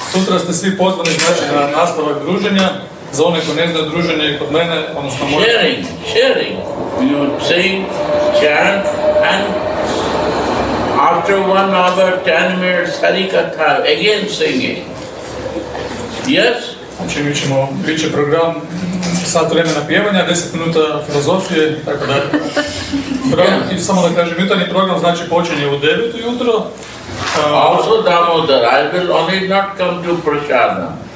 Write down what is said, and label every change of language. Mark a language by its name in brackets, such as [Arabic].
[Croatian] Sutra ste svi pozvani znači na nastavak druženja. Za one koji ne znaju druženje je kod mene, odnosno moj... [English] Sharing, sharing. You sing, chant, and after one hour, 10 minutes, harikatha, again singing. Yes? [Croatian] Znači mi ćemo, bit će program sat vremena pjevanja, 10 minuta filozofije, tako da. Program, [English] yes. [Croatian] Samo da kažem, jutarnji program znači počinje u 9 ujutro. [English] Also Damodar, I will only not come to Prashana.